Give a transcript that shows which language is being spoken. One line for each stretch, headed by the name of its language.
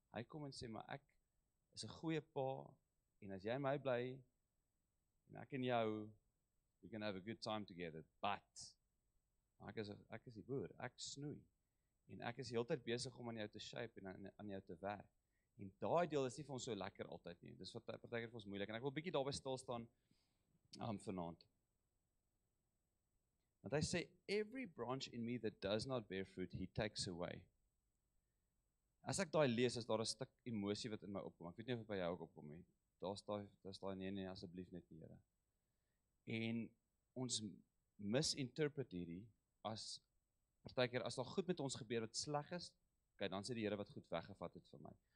Afrikaans: Hy kom en sê, maar ek is 'n goeie pa, en as jy my bly, en ek en jou,
English: we can have a good time together, but,
Afrikaans: ek is die boer, ek snoei, en ek is heeltyd besig om aan jou te shape, en aan jou te werk, en daai deel is nie vir ons so lekker altyd nie, dis wat partykeer vir ons moeilik, en ek wil bietjie daarby stilstaan vanaand. Want hy sê,
English: every branch in me that does not bear fruit, he takes away.
Afrikaans: As ek daai lees, is daar 'n stuk emosie wat in my opkom. Ek weet nie of dit by jou ook opkom nie. Daar's daai nee, asseblief net nie, Here. En ons misinterpret hierdie as partykeer as daar goed met ons gebeur wat sleg is, okay, dan sê die Here wat goed weggevat het vir my.